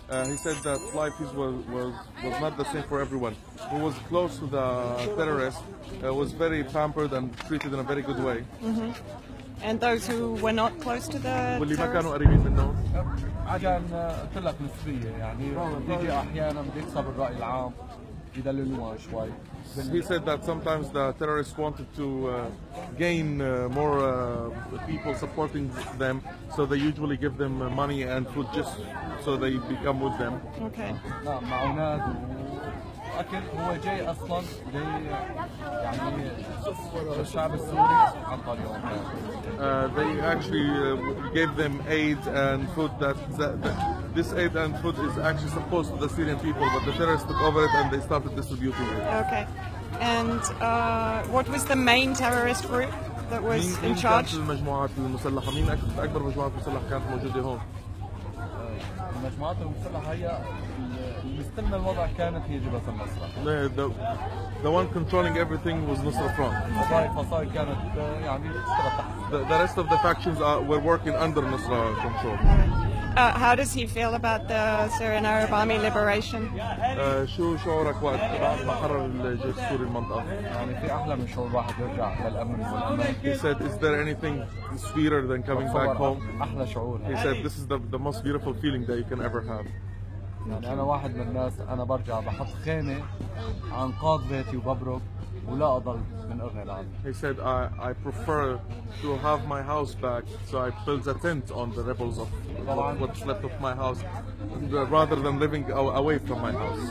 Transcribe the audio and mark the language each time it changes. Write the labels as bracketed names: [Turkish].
[English] He said that life was not the same for everyone. Who was close to the terrorists was very pampered and treated in a very good way. Mm-hmm. And those who were not close to the terrorists? [Arabic] عشان قلت لك نسبية يعني بيجي أحيانا بيكسب الرأي العام بيدللوها شوي. [English] He said that sometimes the terrorists wanted to gain more people supporting them, so they usually give them money and food just so they become with them. Okay. [Arabic] لا معونات وأكل هو جاي أصلا جاي يعني الشعب السوري عن طريقهم. [English] They actually gave them aid and food. This aid and food is actually supposed to the Syrian people, but the terrorists took over it and they started distributing it. Okay. And what was the main terrorist group that was in charge? [Arabic] مين كانت المجموعات المسلحة؟ مين أكبر مجموعات مسلحة كانت موجودة هون؟ المجموعات المسلحة هي المستلمة الوضع كانت هي جبهة النصرة. [English] The one controlling everything was Nusra Front. The rest of the factions were working under Nusra control. How does he feel about the Syrian Arab Army liberation? [Arabic] شو شعورك وقت ما حرر الجيش السوري المنطقة؟ يعني في أحلى من شعور واحد يرجع للأمن والأمان. [English] He said, is there anything sweeter than coming back home? [Arabic] أحلى شعور. [English] He said, this is the most beautiful feeling that you can ever have. [Arabic] يعني أنا واحد من الناس أنا برجع بحط خيمة عن قاض بيتي وببرك ولا أضل من أغنى العالم. [English] He said I prefer to have my house back, so I build a tent on the rebels of what's left of my house rather than living away from my house.